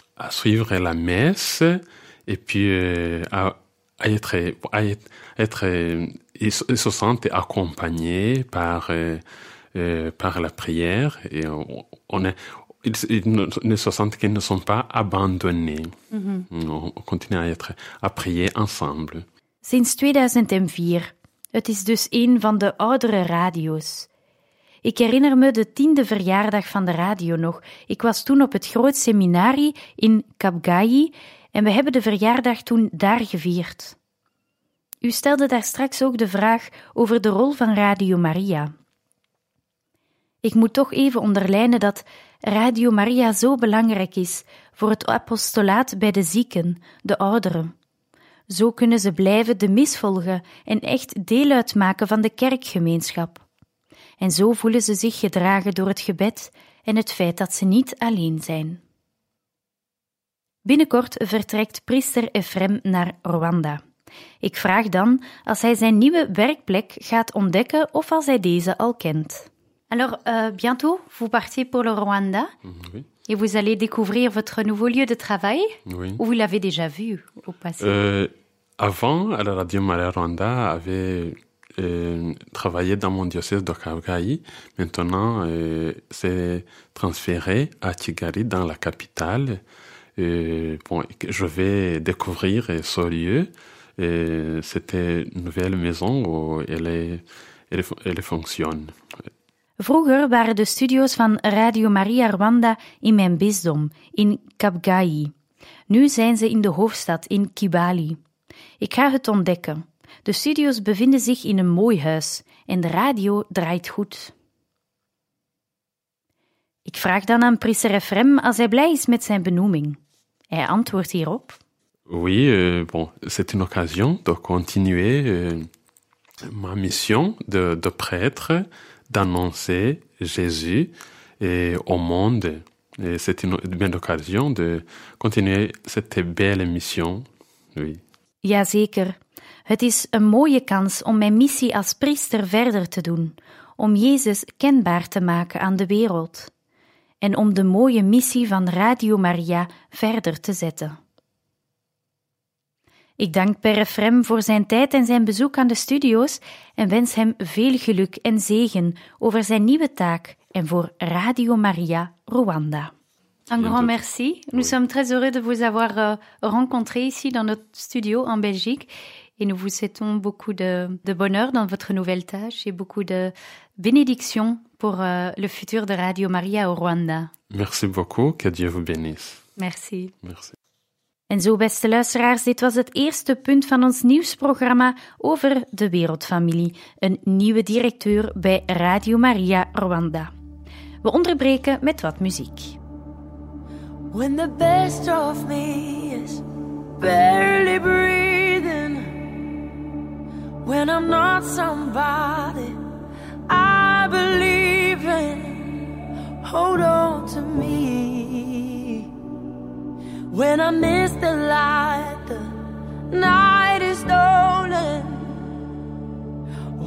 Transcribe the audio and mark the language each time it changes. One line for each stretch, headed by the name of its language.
French: suivre la messe et puis à être ils se sentent accompagnés par la prière et ils se sentent qu'ils ne sont pas abandonnés. Mm-hmm. On continue à être à prier ensemble.
Dutch: Sinds 2004. Het is dus een van de oudere radio's. Ik herinner me de 10e verjaardag van de radio nog. Ik was toen op het groot seminari in Kabgayi en we hebben de verjaardag toen daar gevierd. U stelde daar straks ook de vraag over de rol van Radio Maria. Ik moet toch even onderlijnen dat Radio Maria zo belangrijk is voor het apostolaat bij de zieken, de ouderen. Zo kunnen ze blijven de mis volgen en echt deel uitmaken van de kerkgemeenschap. En zo voelen ze zich gedragen door het gebed en het feit dat ze niet alleen zijn. Binnenkort vertrekt priester Ephrem naar Rwanda. Ik vraag dan als hij zijn nieuwe werkplek gaat ontdekken of als hij deze al kent.
French: Alors, bientôt, vous partez pour le Rwanda. Oui. Et vous allez découvrir votre nouveau lieu de travail. Oui. Ou vous l'avez déjà vu au passé? Avant, la Radio Maria Rwanda avait travaillé dans mon diocèse de Kabgayi. Maintenant, c'est transféré à Kigali, dans la capitale. Bon, je vais découvrir ce lieu. Et c'était une nouvelle maison où elle fonctionne.
Dutch: Vroeger waren de studio's van Radio Maria Rwanda in mijn bisdom, in Kabgayi. Nu zijn ze in de hoofdstad, in Kibali. Ik ga het ontdekken. De studio's bevinden zich in een mooi huis en de radio draait goed. Ik vraag dan aan priester Ephrem als hij blij is met zijn benoeming. Hij antwoordt hierop.
French: Oui, bon, c'est une occasion de continuer ma mission de prêtre. D'annoncer Jésus au monde. Et c'est une belle occasion de continuer cette belle mission. Oui.
Dutch: Jazeker. Het is een mooie kans om mijn missie als priester verder te doen, om Jezus kenbaar te maken aan de wereld en om de mooie missie van Radio Maria verder te zetten. Ik dank Père Ephrem voor zijn tijd en zijn bezoek aan de studio's en wens hem veel geluk en zegen over zijn nieuwe taak en voor Radio Maria Rwanda.
French: Un grand merci. Nous sommes très heureux de vous avoir rencontré ici dans notre studio en Belgique et nous vous souhaitons beaucoup de bonheur dans votre nouvelle tâche et beaucoup de bénédictions pour le futur de Radio Maria au Rwanda. Merci beaucoup. Que Dieu vous bénisse. Merci. Merci.
Dutch: En zo, beste luisteraars, dit was het eerste punt van ons nieuwsprogramma over de wereldfamilie. Een nieuwe directeur bij Radio Maria Rwanda. We onderbreken met wat muziek.
English: When the best of me is barely breathing. When I'm not somebody I believe in. Hold on to me. When I miss the light, the night is stolen.